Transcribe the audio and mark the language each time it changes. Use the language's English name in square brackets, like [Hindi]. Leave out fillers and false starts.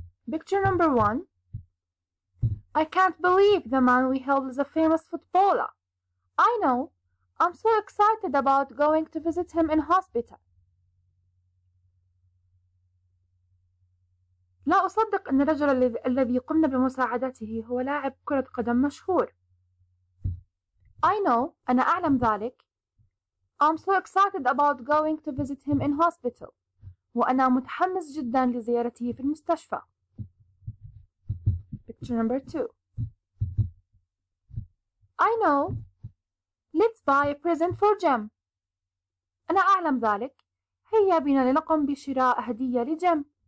[English] Picture number one. I can't believe the man we helped is a famous footballer. I know. I'm so excited about going to visit him in hospital. [Arabic] لا أصدق أن الرجل الذي قمنا بمساعدته هو لاعب كرة قدم مشهور. [English] I know, [Arabic] أنا أعلم ذلك. [English] I'm so excited about going to visit him in hospital. [Arabic] وأنا متحمس جدا لزيارته في المستشفى. [English] Picture number two. I know. Let's buy a present for Jim. [Arabic] أنا أعلم ذلك. هيا بنا لنقم بشراء هدية لجيم.